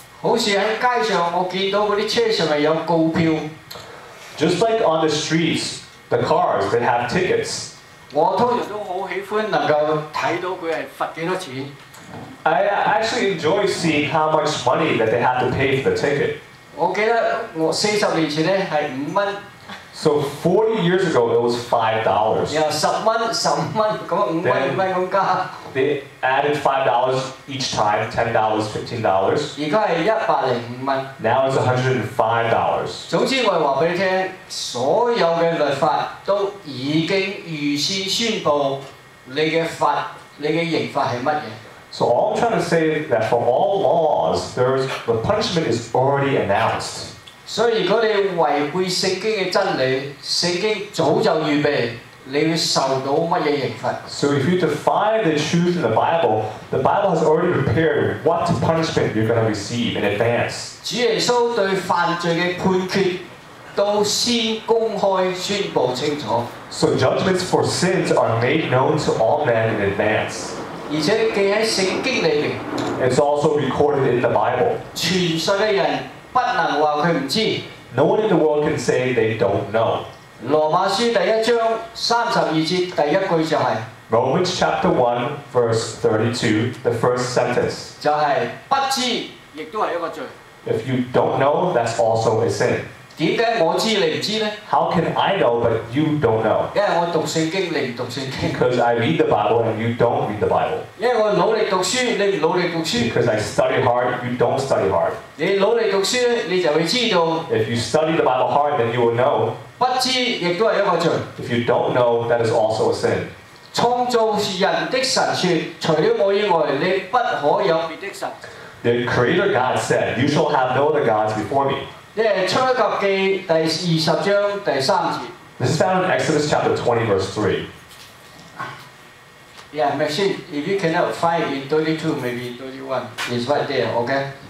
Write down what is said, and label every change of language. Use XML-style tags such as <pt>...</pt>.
<zh>好似喺街上，我見到嗰啲車上面有告票。</zh> <en>Just like on the streets, the cars they have tickets.</en> <zh>我通常都好喜歡能夠睇到佢係罰幾多錢。</zh> <en>I actually enjoy seeing how much money that they have to pay for the ticket.</en> <zh>我記得我四十年前咧係五蚊。</zh> <en>So 40 years ago, it was $5.</en> <zh>Yeah, 10元, 5元, 5元, 5元.</zh> <en>They added $5 each time, $10, $15.</en> <zh>現在是105元.</zh> <en>Now it's $105.</en> <zh>總之我告訴你，所有的律法都已經預先宣布你的罰，你的刑罰是什麼。</zh> <en>So all I'm trying to say is that for all laws, the punishment is already announced.</en> <zh>所以如果你違背聖經的真理，聖經早就預備你要受到乜嘢刑罰。</zh> <en>So if you defy the truth in the Bible has already prepared what punishment you're going to receive in advance.</en> <zh>主耶穌對犯罪的判決都先公開宣布清楚。</zh> <en>So judgments for sins are made known to all men in advance.</en> <zh>而且記喺聖經裏面。</zh> <en>It's also recorded in the Bible.</en> <zh>全世界人。不能話佢唔知。</zh> <en>No one in the world can say they don't know.</en> <zh>羅馬書第一章三十二節第一句就係。</zh> <en>Romans chapter 1 verse 32, the first sentence.</en> <zh>就係不知亦都係一個罪。</zh> <en>If you don't know, that's also a sin.</en> <zh>點解我知你唔知咧</zh> <en>？How can I know but you don't know?</en> <zh>因為我讀聖經，你唔讀聖經。</zh> <en>Because I read the Bible and you don't read the Bible.</en> <zh>因為我努力讀書，你唔努力讀書。</zh> <en>Because I study hard, you don't study hard.</en> <zh>你努力讀書，你就會知道。</zh> <en>If you study the Bible hard, then you will know.</en> <zh>不知亦都係一個罪。</zh> <en>If you don't know, that is also a sin.</en> <zh>創造人的神說：除了我以外，你不可有別的神。</zh> <en>The Creator God said, "You shall have no other gods before me."</en> <zh>即係出埃及記第二十章第三節。</zh> <en>This is found in Exodus chapter 20 verse 3. Yeah, Maxine, if you cannot find it in 32, maybe in 31, it's right there, okay?</en>